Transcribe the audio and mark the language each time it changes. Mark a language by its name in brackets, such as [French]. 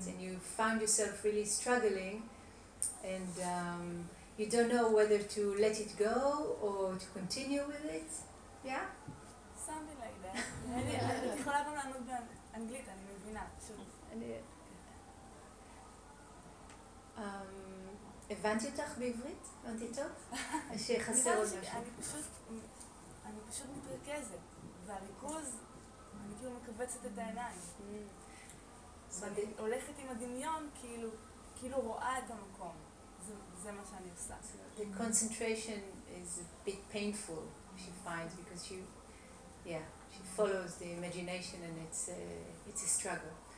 [English] Mm-hmm. And you find yourself really struggling, and you don't know whether to let it go or to continue with it, yeah? Something like that. [Hebrew] אני יכולה גם לענות באנגלית, אני מבינה, פשוט. הבנתי אותך בעברית? הבנתי טוב? שחסר עוד משהו. אני פשוט מתרכזת, והריכוז, אני כאילו מקבצת את העיניים. ואני הולכת עם הדמיון, כאילו רואה את המקום. [English] The concentration is a bit painful, she finds, because she follows the imagination, and it's a struggle.